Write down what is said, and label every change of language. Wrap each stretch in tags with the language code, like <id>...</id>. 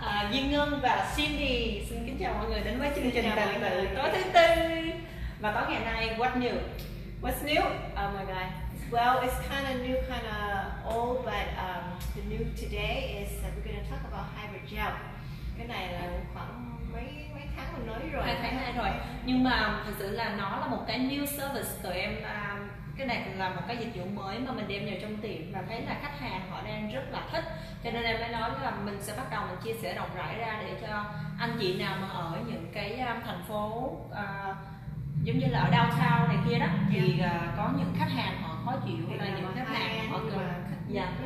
<vi>Duy Ngân và Cindy xin kính chào mọi người đến với chương trình tâm sự tối thứ tư. Và tối ngày nay,</vi> <en>what's new? Oh my god. Well, it's kind of new, kind of old, but the new today is that we're going to talk about hybrid gel.</en> <vi>Cái này là khoảng mấy tháng mình nói rồi. 2 tháng 2 rồi. Nhưng mà thực sự là nó là một cái new service tụi em. Cái này là một cái dịch vụ mới mà mình đem vào trong tiệm và thấy là khách hàng họ đang rất là thích. Cho nên em mới nói là mình sẽ bắt đầu mình chia sẻ rộng rãi ra để cho anh chị nào mà ở những cái thành phố giống như là ở downtown này kia đó thì có những khách hàng họ khó chịu hay là những khách hàng họ cần</vi>